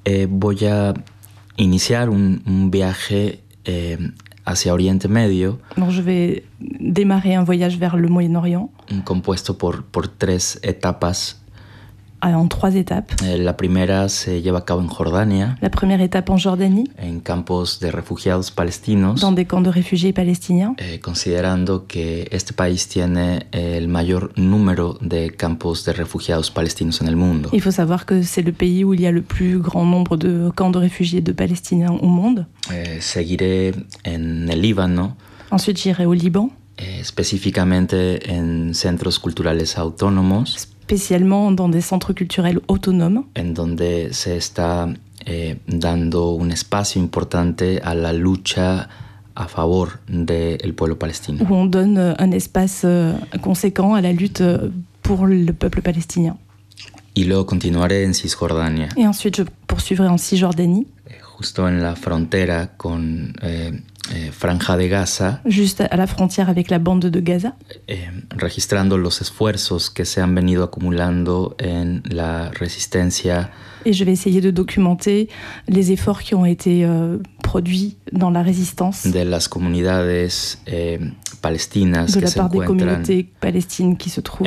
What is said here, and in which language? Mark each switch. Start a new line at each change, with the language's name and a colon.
Spanish: Voy a iniciar un viaje hacia Oriente Medio.
French: Donc, je vais démarrer un voyage vers le Moyen-Orient.
Spanish: Compuesto por tres etapas.
French: En trois étapes.
Spanish: La primera se lleva a cabo en Jordania.
French: La première étape en Jordanie.
Spanish: En campos de refugiados palestinos.
French: Dans des camps de réfugiés palestiniens.
Spanish: Considerando que este país tiene el mayor número de campos de refugiados palestinos en el mundo.
French: Il faut savoir que c'est le pays où il y a le plus grand nombre de camps de réfugiés de palestiniens au monde.
Spanish: Seguiré en el Líbano.
French: Ensuite, j'irai au Liban.
Spanish: Específicamente en centros culturales autónomos.
French: Spécialement dans des centres culturels autonomes.
Spanish: En donde se está dando un espacio importante a la lucha a favor del pueblo palestino.
French: Où on donne un espace conséquent à la lutte pour le peuple palestinien.
Spanish: Y luego continuaré en Cisjordania.
French: Et ensuite je poursuivrai en Cisjordanie.
Spanish: Justo en la frontera con Franja de Gaza,
French: juste à la frontière avec la bande de Gaza,
Spanish: registrando los esfuerzos que se han venido acumulando en la resistencia.
French: Et je vais essayer de documenter les efforts qui ont été produits dans la résistance
Spanish: de las comunidades palestinas,
French: de la part des communautés palestines qui se trouvent